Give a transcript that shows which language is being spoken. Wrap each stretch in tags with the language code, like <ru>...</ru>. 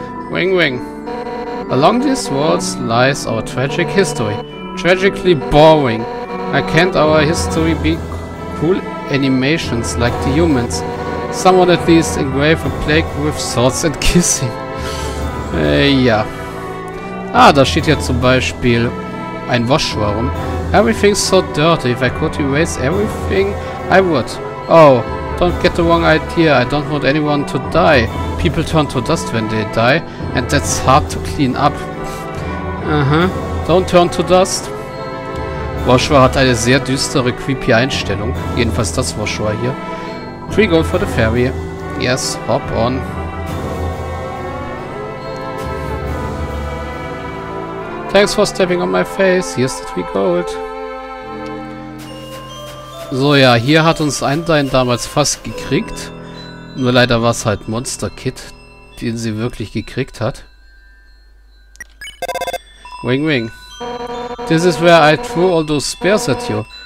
<en>Wing Wing. Along these walls lies our tragic history. Tragically boring. I can't our history be cool animations like the humans. Someone at least engrave a plague with swords and kissing.</en> <de>ja. Ah, da steht ja zum Beispiel ein Waschraum.</de> <en>Everything's so dirty. If I could erase everything, I would. Oh, don't get the wrong idea. I don't want anyone to die. People turn to dust when they die, and that's hard to clean up. Don't turn to dust.</en> <de>Washua hat eine sehr düstere, creepy Einstellung. Jedenfalls das Washua hier.</de> <en>Three gold for the ferry. Yes, hop on. Thanks for stepping on my face. Here's the three gold.</en> <de>So ja, hier hat uns Undyne damals fast gekriegt. Nur leider war es halt Monster Kid, den sie wirklich gekriegt hat.</de> <en>Wing Wing. This is where I threw all those spears at you.</en>